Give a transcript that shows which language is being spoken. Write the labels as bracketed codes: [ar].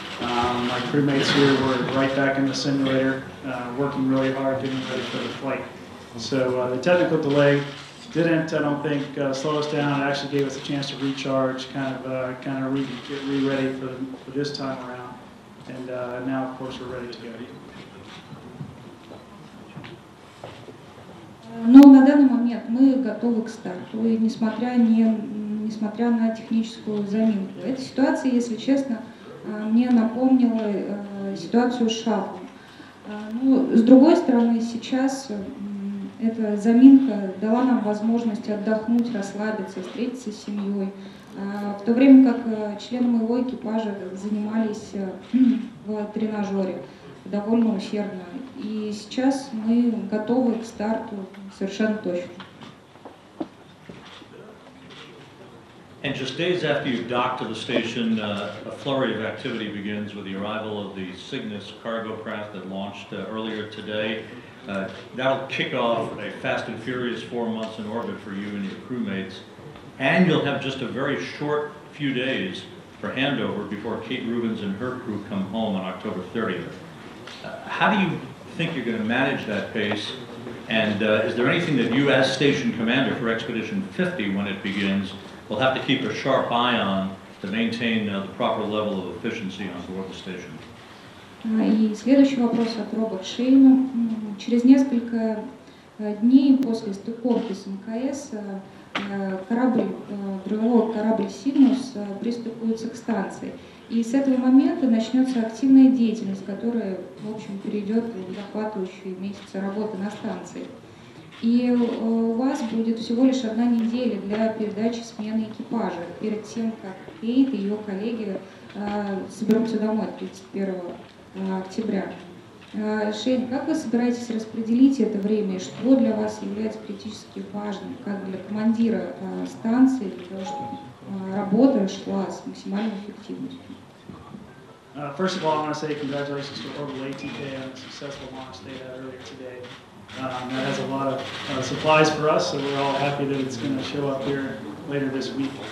[en] My crewmates here were right back in the simulator, working really hard, getting ready for the flight. So the technical delay didn't, I don't think, slow us down. It actually gave us a chance to recharge, get ready for this time around. And now, of course, we're ready to go. [ru] Но на данный момент мы готовы к старту, и несмотря на техническую заминку. Эта ситуация, если честно, мне напомнила ситуацию с шаттлом. Ну, с другой стороны, сейчас эта заминка дала нам возможность отдохнуть, расслабиться, встретиться с семьей. В то время как члены моего экипажа занимались в тренажере довольно усердно. И сейчас мы готовы к старту совершенно точно. [en] And just days after you dock to the station, a flurry of activity begins with the arrival of the Cygnus cargo craft that launched earlier today. That'll kick off a fast and furious 4 months in orbit for you and your crewmates. And you'll have just a very short few days for handover before Kate Rubens and her crew come home on October 30th. How do you think you're going to manage that pace? And is there anything that you as station commander for Expedition 50, when it begins, will have to keep a sharp eye on to maintain the proper level of efficiency on board the station? [ru] И следующий вопрос от Роба Шейна. Через несколько дней после стыковки с МКС корабль «Сигнус» приступается к станции. И с этого момента начнется активная деятельность, которая, в общем, перейдет в захватывающие месяцы работы на станции. И у вас будет всего лишь одна неделя для передачи смены экипажа перед тем, как Кейт и ее коллеги соберутся домой 31 октября. Шейн, как вы собираетесь распределить это время? Что для вас является критически важным, как для командира станции, для того, чтобы работа шла с максимальной эффективностью? [en] First of all, I want to say congratulations to Orbital ATK on the successful launch they had earlier today. That has a lot of supplies for us, so we're all happy that it's going to show up here later this week.